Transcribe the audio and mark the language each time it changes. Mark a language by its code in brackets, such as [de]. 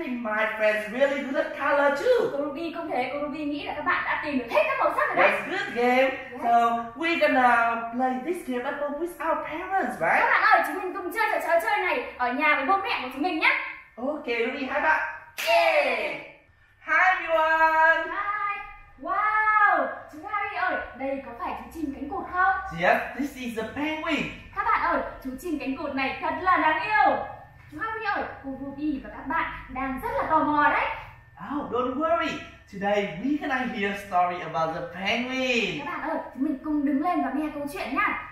[en] thì my friends really good at color too. [vi] Cô Ruby cũng thế, cô Ruby nghĩ là các bạn đã tìm được hết các màu sắc rồi đấy. [en] That's good game. Yeah. So we're gonna play this game at home with our parents, right? [vi] Các bạn ơi, chúng mình cùng chơi trò chơi, chơi này ở nhà với bố mẹ của chúng mình nhé. [en] Okay, Ruby, hi bạn. Yeah. Hi everyone. Hi. [vi] Wow, chú Harry ơi, đây có phải chú chim cánh cụt không? [en] Yes, this is a penguin. [vi] Các bạn ơi, chú chim cánh cụt này thật là đáng yêu. Harry ơi, cô Ruby và các bạn đang rất là tò mò đấy. [en] Oh, don't worry. Today we can hear a story about the penguin. [vi] Các bạn ơi, chúng mình cùng đứng lên và nghe câu chuyện nhá.